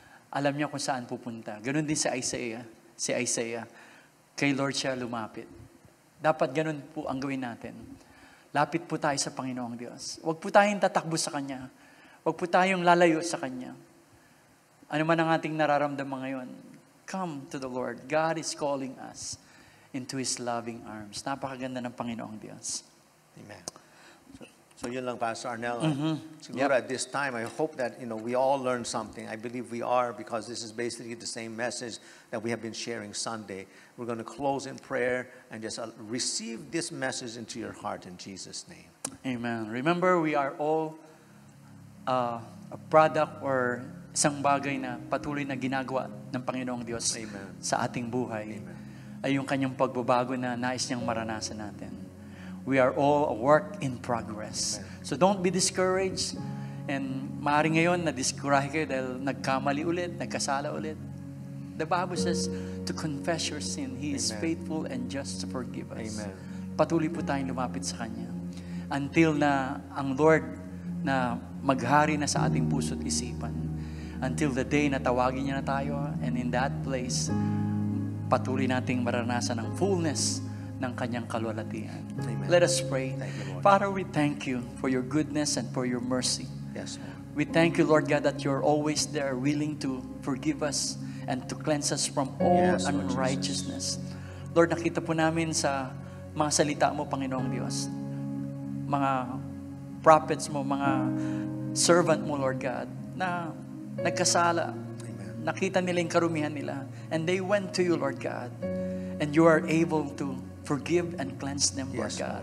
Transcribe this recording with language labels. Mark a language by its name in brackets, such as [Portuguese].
[Filipino] Alam niya kung saan pupunta. Ganun din sa Isaiah. Si Isaiah, kay Lord siya lumapit. Dapat ganun po ang gawin natin. Lapit po tayo sa Panginoong Diyos. Huwag po tayong tatakbo sa Kanya. Huwag po tayong lalayo sa Kanya. Ano man ang ating nararamdaman ngayon, [English] come to the Lord. God is calling us into His loving arms. [Filipino] Napakaganda ng Panginoong Diyos. Amen. So yun lang, Pastor Arnel. [English] Siguro at this time, I hope that you know we all learned something. I believe we are, because this is basically the same message that we have been sharing Sunday. We're going to close in prayer and just receive this message into your heart in Jesus' name. [Filipino] Amen. [English] Remember, we are all a product or [Filipino] isang bagay na patuloy na ginagawa ng Panginoong Diyos. [English] Amen. [Filipino] Sa ating buhay. [English] Amen. [Filipino] Ay yung kanyang pagbabago na nais niyang maranasan natin. [English] We are all a work in progress. Amen. So don't be discouraged. [Filipino] And maaaring ngayon, na-discourage kayo dahil nagkamali ulit, nagkasala ulit. [English] The Bible says, to confess your sin, He is faithful and just to forgive us. Amen. [Filipino] Patuloy po tayong lumapit sa Kanya. Until na ang Lord na maghari na sa ating puso at isipan. [English] Until the day [Filipino] na tawagin niya na tayo. [English] And in that place, [Filipino] patuloy nating maranasan ng fullness ng kanyang kalwalatian. [English] Amen. Let us pray. Thank you, Lord. Father, we thank you for your goodness and for your mercy. Yes, Lord. We thank you, Lord God, that you're always there, willing to forgive us and to cleanse us from all unrighteousness. Jesus. [Filipino] Lord, nakita po namin sa mga salita mo, Panginoong Diyos, mga prophets mo, mga servant mo, Lord God, na nagkasala. [English] Amen. [Filipino] Nakita nila yung karumihan nila. [English] And they went to you, Lord God. And you are able to forgive and cleanse them, Lord God.